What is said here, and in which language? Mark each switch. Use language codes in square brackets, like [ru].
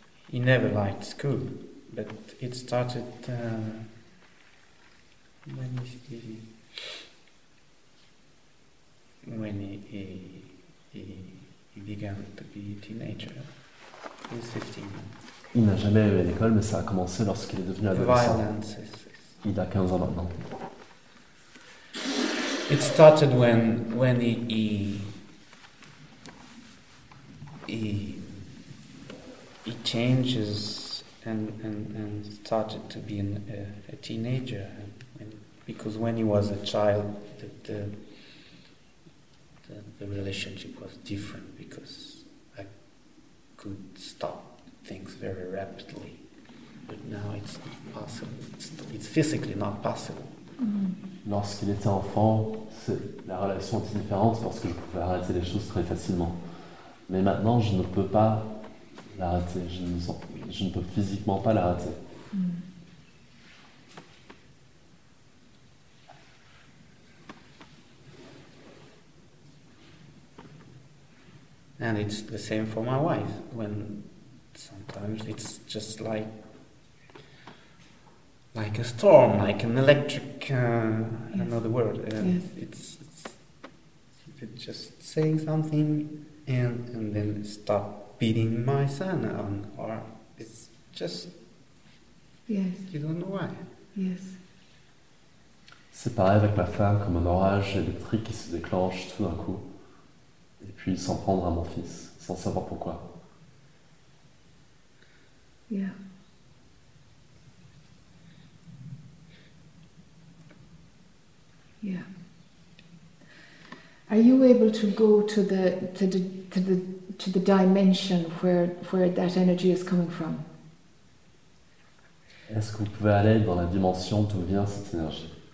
[en] He never liked school, but it started when he began to be a teenager. He was 15. [fr] Il n'a jamais eu à l'école, mais ça a commencé lorsqu'il est devenu adolescent. Il a 15 ans maintenant. [en] It started when he changes and started to be a teenager, because when he was a child, the relationship was different, because I could stop things very rapidly, but now it's not possible. It's physically not possible. Mm-hmm. [fr] lorsqu'il était enfant, la relation était différente parce que je pouvais arrêter les choses très facilement. Mais maintenant, je ne peux pas l'arrêter. Je ne peux physiquement pas l'arrêter. [en] And it's the same for my wife. When sometimes it's just like a storm, like an electric. I don't know the word. It's just saying something, and then stop beating my son, or it's just. Yes. You don't know why. Yes. [fr] C'est pareil avec ma femme, comme un orage électrique qui se déclenche tout d'un coup. Et puis s'en prendre à mon fils, sans savoir pourquoi. [en] Yeah. Yeah. Are you able to go to the dimension where that energy is coming from? [fr] Est-ce que vous pouvez aller dans la dimension d'où vient cette énergie?